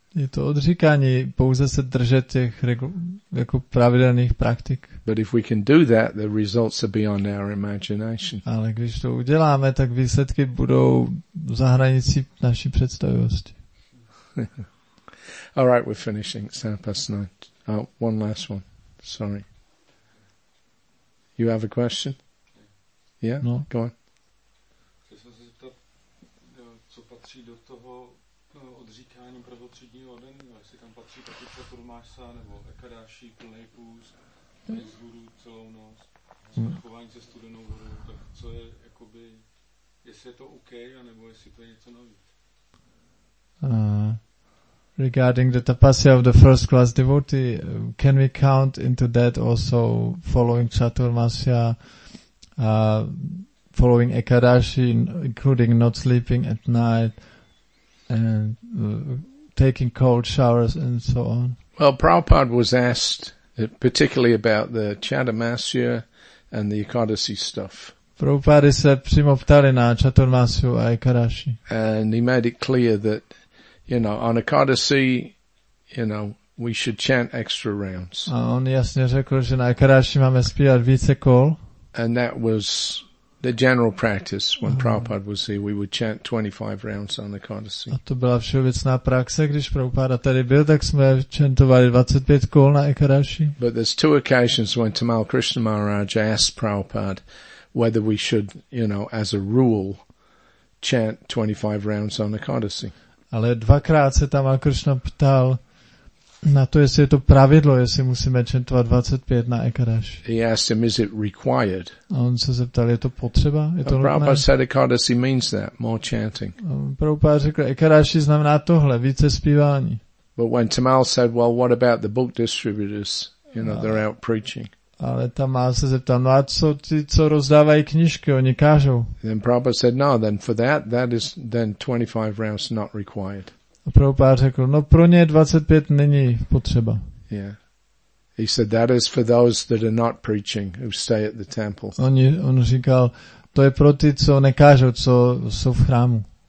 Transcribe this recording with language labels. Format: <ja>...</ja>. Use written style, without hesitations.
<cs>Je to odříkání pouze se držet těch jako pravidelných praktik.</cs> <en>But if we can do that, the results are beyond our imagination.</en> <cs>Ale když to uděláme, tak výsledky budou za hranicí naší představivosti.</cs> <en>All right, we're finishing. It's 9:30. Oh, one last one. Sorry. You have a question? Yeah, no. Go on.</en> <cs>Chtěl jsem se zeptat, co patří do toho odříkání prvotřídního den, jestli tam patří taky Čaturmáša, nebo Ekadáši, plnej půst, nic hůru celou noc, chování se studenou hůru, tak co je, jakoby, jestli je to OK, anebo jestli to je něco nový.</cs> <en>Regarding the tapasya of the first class devotee, can we count into that also following Čaturmáša, following Ekadashi, including not sleeping at night and taking cold showers and so on? Well, Prabhupada was asked particularly about the Chaturmasya and the Ekadashi stuff.</en> <cs>Prabhupada se přímo ptali na Chaturmasyu a Ekadashi.</cs> <en>And he made it clear that, you know, on Ekadashi, you know, we should chant extra rounds.</en> <cs>A on jasně řekl, že na Ekadashi máme zpívat více kol.</cs> <en>And that was the general practice when Prabhupada was here. We would chant 25 rounds on the Ekadasi.</en> <cs>A to byla všeobecná praxe, když Prabhupada tady byl, tak jsme chantovali 25 kol na Ekadasi.</cs> <en>But there's two occasions when Tamal Krishna Maharaj asked Prabhupada whether we should, you know, as a rule, chant 25 rounds on the Ekadasi.</en> <cs>Ale dvakrát se Tamal Krishna ptal na to, jestli je to pravidlo, jestli musíme čentovat 25 na Ekadashi.</cs> <en>He asked him, is it required?</en> <cs>A on se zeptal, je to potřeba? Je to nutné?</cs> <en>Prabhupada said Ekadashi means that, more chanting.</en> <cs>Prabhupada řekl, Ekadashi znamená tohle, více zpívání.</cs> <en>But when Tamal said, well, what about the book distributors? You know, they're out preaching.</en> <cs>Ale Tamal se zeptal, no a co ti, co rozdávají knížky, oni kážou?</cs> <en>Then Prabhupada said, no, then for that is then 25 rounds not required.</en> <cs>A Prabhupada řekl, no pro ně 25 není potřeba.</cs> <en>Yeah. He said that is for those that are not preaching, who stay at the temple.</en> <cs>On říkal, to je pro ty, co nekážou, co jsou v chrámu.</cs>